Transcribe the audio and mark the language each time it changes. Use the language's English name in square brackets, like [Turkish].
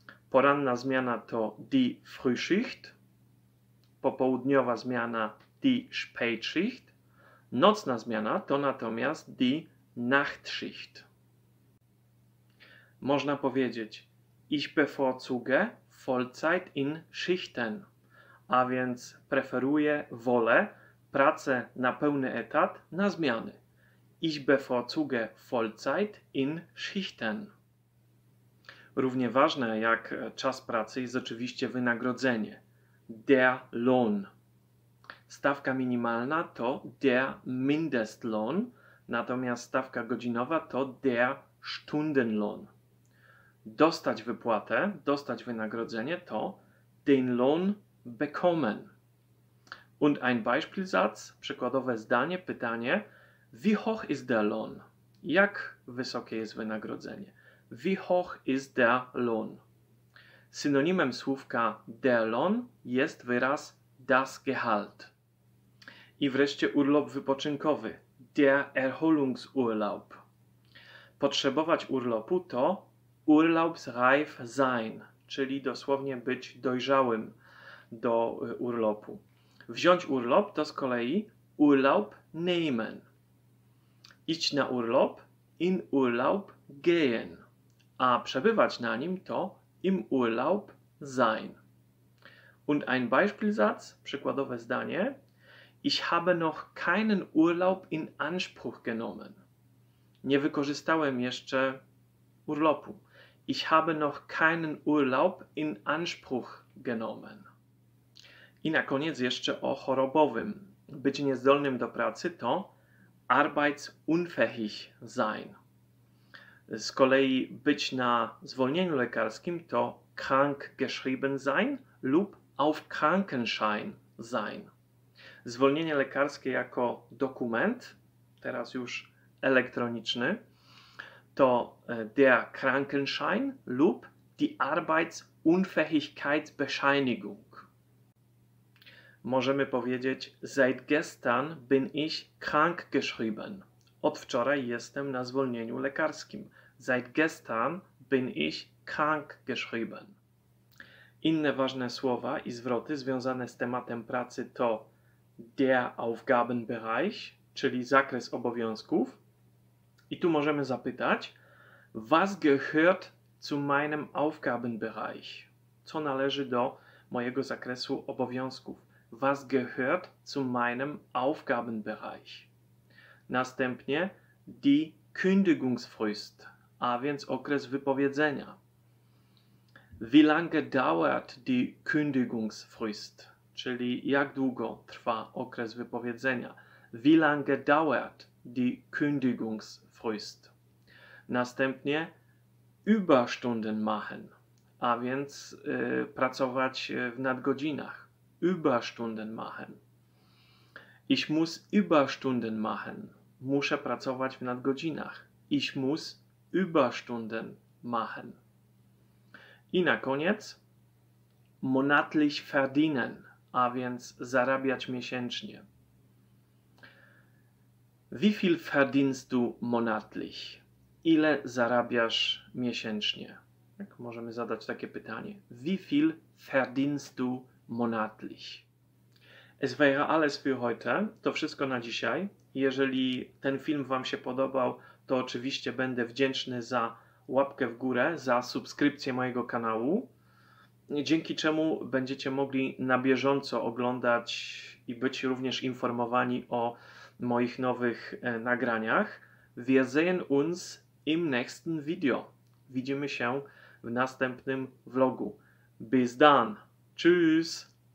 [Polish] Poranna zmiana to die Frühschicht, popołudniowa zmiana die Spätschicht, nocna zmiana to natomiast die Nachtschicht. Można powiedzieć, [German] ich bevorzuge Vollzeit in Schichten, [Polish] a więc preferuję, wolę pracę na pełny etat na zmiany. [German] Ich bevorzuge Vollzeit in Schichten. [Polish] Równie ważne jak czas pracy jest oczywiście wynagrodzenie. Der Lohn. Stawka minimalna to der Mindestlohn, natomiast stawka godzinowa to der Stundenlohn. Dostać wypłatę, dostać wynagrodzenie to [German] den Lohn bekommen. Und ein Beispielsatz, [Polish] przykładowe zdanie, pytanie: [German] Wie hoch ist der Lohn? [Polish] Jak wysokie jest wynagrodzenie? [German] Wie hoch ist der Lohn? [Polish] Synonimem słówka der Lohn jest wyraz das Gehalt. I wreszcie urlop wypoczynkowy, der Erholungsurlaub. Potrzebować urlopu to [German] Urlaubsreif sein, [Polish] czyli dosłownie być dojrzałym do urlopu. Wziąć urlop to z kolei [German] Urlaub nehmen. [Polish] Iść na urlop, [German] in Urlaub gehen. [Polish] A przebywać na nim to [German] im Urlaub sein. Und ein Beispielsatz, [Polish] przykładowe zdanie. [German] Ich habe noch keinen Urlaub in Anspruch genommen. [Polish] Nie wykorzystałem jeszcze urlopu. [German] Ich habe noch keinen Urlaub in Anspruch genommen. [Polish] I na koniec jeszcze o chorobowym. Być niezdolnym do pracy to [German] arbeitsunfähig sein. [Polish] Z kolei być na zwolnieniu lekarskim to [German] krank geschrieben sein [Polish] lub [German] auf Krankenschein sein. [Polish] Zwolnienie lekarskie jako dokument, teraz już elektroniczny, to der Krankenschein lub die Arbeitsunfähigkeitsbescheinigung. Możemy powiedzieć [German] seit gestern bin ich krank geschrieben. [Polish] Od wczoraj jestem na zwolnieniu lekarskim. [German] Seit gestern bin ich krank geschrieben. [Polish] Inne ważne słowa i zwroty związane z tematem pracy to der Aufgabenbereich, czyli zakres obowiązków. I tu możemy zapytać, [German] was gehört zu meinem Aufgabenbereich? [Polish] Co należy do mojego zakresu obowiązków? [German] Was gehört zu meinem Aufgabenbereich? [Polish] Następnie die Kündigungsfrist, a więc okres wypowiedzenia. [German] Wie lange dauert die Kündigungsfrist? [Polish] Czyli jak długo trwa okres wypowiedzenia? [German] Wie lange dauert die Kündigungsfrist? [Polish] Następnie [German] Überstunden machen, [Polish] a więc pracować w nadgodzinach. [German] Überstunden machen. Ich muss Überstunden machen. [Polish] Muszę pracować w nadgodzinach. [German] Ich muss Überstunden machen. [Polish] I na koniec [German] monatlich verdienen, [Polish] a więc zarabiać miesięcznie. [German] Wie viel verdienst du monatlich? [Polish] Ile zarabiasz miesięcznie? Tak, możemy zadać takie pytanie. [German] Wie viel verdienst du monatlich. Es wäre alles für heute. [Polish] To wszystko na dzisiaj. Jeżeli ten film Wam się podobał, to oczywiście będę wdzięczny za łapkę w górę, za subskrypcję mojego kanału, dzięki czemu będziecie mogli na bieżąco oglądać i być również informowani o moich nowych nagraniach. [German] Wir sehen uns im nächsten Video. [Polish] Widzimy się w następnym vlogu. [German] Bis dann. Tschüss.